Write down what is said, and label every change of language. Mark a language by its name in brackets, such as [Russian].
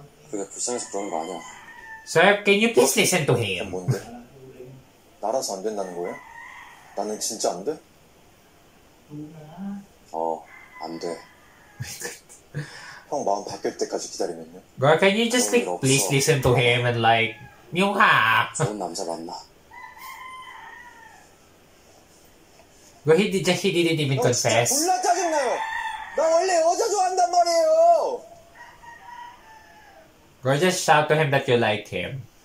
[Korean] 그게 불쌍해서 그런 거 아니야. [English] Sir, can you please listen to him? [Korean] 뭔데? 나라서 안 된다는 거야? 나는 진짜 안 돼? 어, 안 돼. 형 마음 바뀔 때까지 기다리면요? [English] Girl, can you just like, please listen to him and like, Myungha? [Korean] 좋은 남자 만나. [English] Girl, he didn't even confess. [Korean] 형 진짜 몰라 짜증나요! 나 원래 여자 좋아한단 말이에요! [English] Girl, just shout to him that you like him.